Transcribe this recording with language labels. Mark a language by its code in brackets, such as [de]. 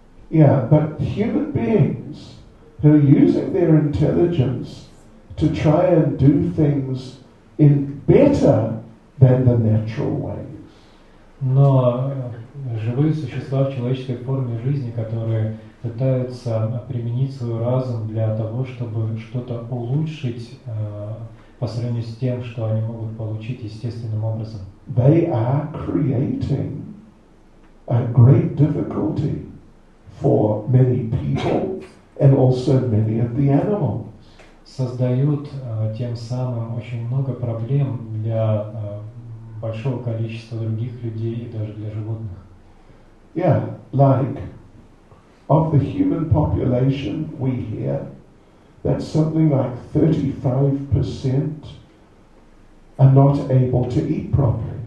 [en] Yeah, but human beings who are using their intelligence to try and do things in better than the natural ways. [ru] Но живые существа в человеческой форме жизни, которые пытаются применить свой разум для того, чтобы что-то улучшить по сравнению с тем, что они могут получить естественным образом. [en] They are creating a great difficulty for many people and also many of the animals. [ru] Создают тем самым очень много проблем для большого количества других людей и даже для животных. [en] Yeah, like of the human population, we hear that something like 35% are not able to eat properly.